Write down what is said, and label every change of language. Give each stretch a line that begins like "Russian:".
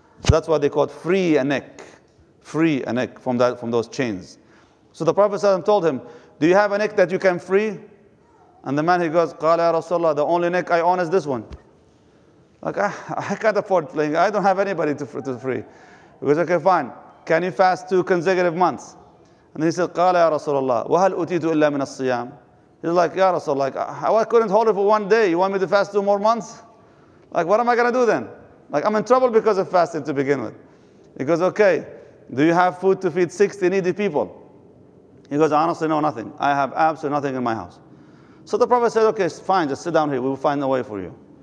English: So that's why they called free a neck from those chains. So the Prophet ﷺ told him, do you have a neck that you can free? And the man, he goes,
Arabic: قَالَ يَا رَسُولَ اللَّهِ,
English: the only neck I own is this one. Like, I can't afford playing. I don't have anybody to free. He goes, okay, fine. Can you fast 2 consecutive months? And then he said,
Arabic: قَالَ يَا رَسُولَ اللَّهِ, وَهَلْ أُتِيتُ إِلَّا مِنَ الصِّيَامِ?
English: He's like, ya Rasul, like, I couldn't hold it for one day. You want me to fast 2 more months? Like, what am I going to do then? Like, I'm in trouble because of fasting to begin with. He goes, okay, do you have food to feed 60 needy people? He goes, honestly, no, nothing. I have absolutely nothing in my house. So the Prophet said, okay, fine, just sit down here. We will find a way for you.